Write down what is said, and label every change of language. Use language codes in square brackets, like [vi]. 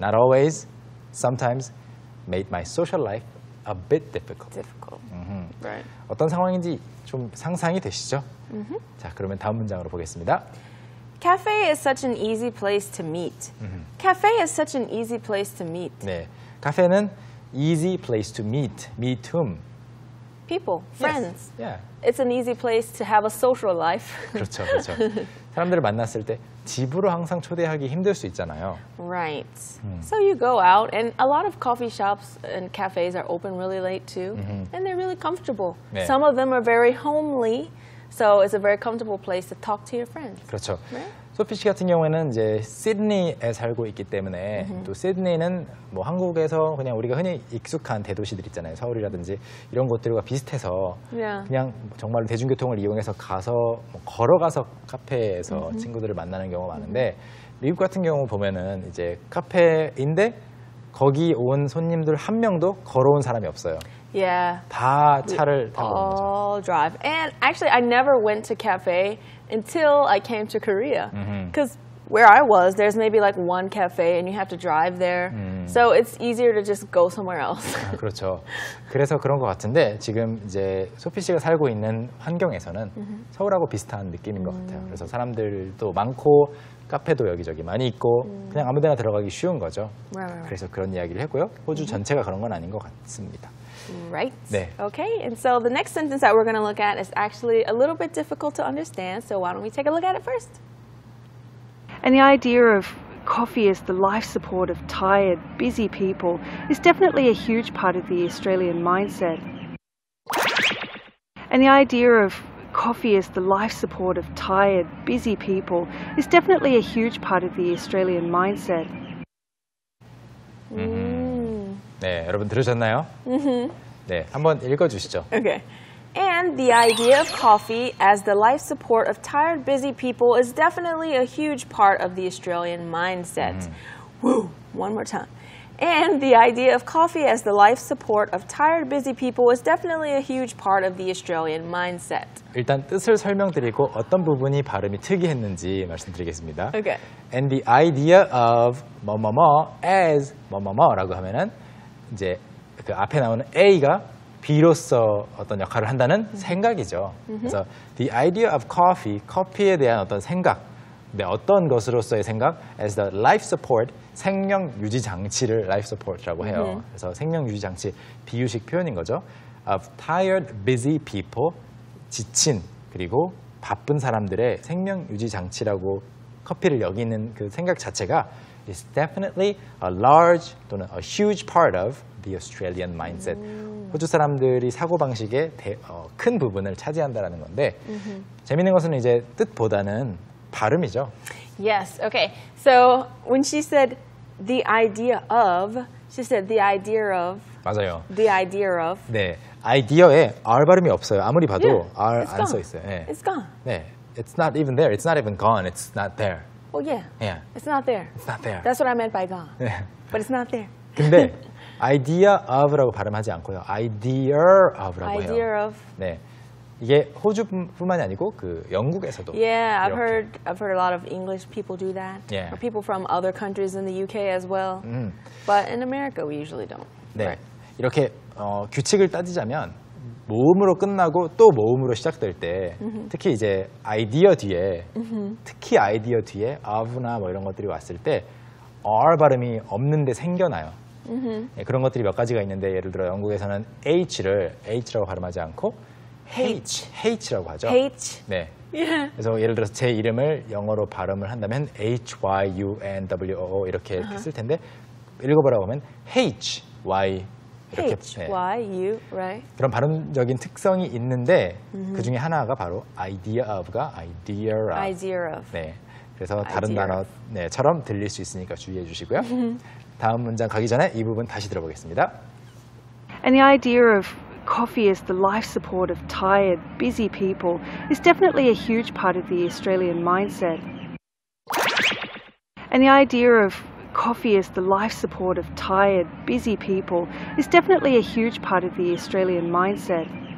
[en] not always, sometimes made my social life a bit difficult. Difficult, mm-hmm. right. [ko] 어떤 상황인지 좀 상상이 되시죠? Mm-hmm. 자, 그러면 다음 문장으로 보겠습니다. [en] Cafe is such an easy place to meet. Mm-hmm. Cafe is such an easy place to meet. [ko] 네, 카페는 [en] easy place to meet. Meet whom? People, friends. Yes. Yeah. It's an easy place to have a social life. [ko] 그렇죠, 그렇죠. 사람들을 만났을 때 집으로 항상 초대하기 힘들 수 있잖아요. [en] Right. So you go out, and a lot of coffee shops and cafes are open really late too, mm-hmm. and they're really comfortable. [ko] 네. [en] Some of them are very homely. So it's a very comfortable place to talk to your friends. [ko] 그렇죠. [en] Right? [ko] 소피 씨 같은 경우에는 이제 시드니에 살고 있기 때문에 mm-hmm. 또 시드니는 뭐 한국에서 그냥 우리가 흔히 익숙한 대도시들 있잖아요. 서울이라든지 이런 곳들과 비슷해서 [en] yeah. [ko] 그냥 정말 대중교통을 이용해서 가서 뭐 걸어가서 카페에서 mm-hmm. 친구들을 만나는 경우가 많은데 mm-hmm. 미국 같은 경우 보면은 이제 카페인데 거기 온 손님들 한 명도 걸어온 사람이 없어요. [en] Yeah. [ko] 다 차를 타고 오죠. [en] All drive. And actually, I never went to cafe until I came to Korea. Because mm-hmm. where I was, there's maybe like one cafe and you have to drive there. So it's easier to just go somewhere else. [ko] 아, 그렇죠. 그래서 그런 것 같은데 지금 이제 소피 씨가 살고 있는 환경에서는 mm-hmm. 서울하고 비슷한 느낌인 것 같아요. 그래서 사람들도 많고 카페도 여기저기 많이 있고 그냥 아무데나 들어가기 쉬운 거죠. [en] Right. [ko] 그래서 그런 이야기를 했고요. 호주 mm-hmm. 전체가 그런 건 아닌 것 같습니다. [en] Right. [ko] 네. [en] Okay. And so the next sentence that we're going to look at is actually a little bit difficult to understand. So why don't we take a look at it first? And the idea of coffee as the life support of tired, busy people is definitely a huge part of the Australian mindset. And the idea of coffee as the life support of tired, busy people is definitely a huge part of the Australian mindset. Mm-hmm. [ko] 네, 여러분 들으셨나요? Mm-hmm. 네, 한번 읽어주시죠. [en] Okay. And the idea of coffee as the life support of tired, busy people is definitely a huge part of the Australian mindset. Woo! One more time. And the idea of coffee as the life support of tired, busy people is definitely a huge part of the Australian mindset. [ko] 일단 뜻을 설명드리고 어떤 부분이 발음이 특이했는지 말씀드리겠습니다. [en] Okay. [ko] And the idea of 뭐뭐뭐 as 뭐뭐뭐라고 하면은 이제 그 앞에 나오는 A가 B로서 어떤 역할을 한다는 mm-hmm. 생각이죠. Mm-hmm. 그래서 [en] the idea of coffee, [ko] 커피에 대한 어떤 생각, 네, 어떤 것으로서의 생각, [en] as the life support, [ko] 생명 유지 장치를 life support라고 해요. Mm-hmm. 그래서 생명 유지 장치, 비유식 표현인 거죠. [en] of tired, busy people, [ko] 지친, 그리고 바쁜 사람들의 생명 유지 장치라고 커피를 여기는 그 생각 자체가 [en] is definitely a large [ko] 또는 [en] a huge part of the Australian mindset. [ko] 호주 사람들이 사고방식의 큰 부분을 차지한다라는 건데 mm-hmm. 재밌는 것은 이제 뜻보다는 발음이죠. [en] Yes, okay. So when she said the idea of, she said the idea of. [ko] 맞아요. [en] The idea of. [ko] 네, 아이디어에 R 발음이 없어요. 아무리 봐도 [en] yeah, [ko] R 안 써 있어요. 네. [en] It's gone. [ko] 네, [en] it's not even there. It's not even gone. It's not there. Oh, yeah. Yeah. It's not there. It's not there. That's what I meant by gone. Yeah. But it's not there. [ko] 근데 idea of라고 발음하지 않고요. idea of라고 해요. [en] idea of. [ko] 네. 이게 호주뿐만이 아니고 그 영국에서도. [en] Yeah, I've heard a lot of English people do that. Yeah. Or people from other countries in the UK as well. But in America, we usually don't. [ko] 네. [en] Right. [ko] 이렇게 규칙을 따지자면 모음으로 끝나고 또 모음으로 시작될 때 mm-hmm. 특히 이제 아이디어 뒤에 mm-hmm. 특히 아이디어 뒤에 of나 뭐 이런 것들이 왔을 때 r 발음이 없는데 생겨나요. Mm-hmm. 네, 그런 것들이 몇 가지가 있는데 예를 들어 영국에서는 h를 h라고 발음하지 않고 h라고 하죠. [en] h [ko] 네. [en] Yeah. [ko] 그래서 예를 들어서 제 이름을 영어로 발음을 한다면 h-y-u-n-w-o 이렇게 uh-huh. 쓸 텐데 읽어보라고 하면 h-y-h [en] H, [ko] 네. [en] Y, U, right? [ko] 그런 발음적인 특성이 있는데 mm-hmm. 그 중에 하나가 바로 idea of가 idea of. [en] Idea of. [ko] 네. 그래서 다른 idea 단어처럼 들릴 수 있으니까 주의해 주시고요. Mm-hmm. 다음 문장 가기 전에 이 부분 다시 들어보겠습니다. [en] And the idea of coffee as the life support of tired, busy people is definitely a huge part of the Australian mindset. And the idea of coffee as the life support of tired, busy people is definitely a huge part of the Australian mindset.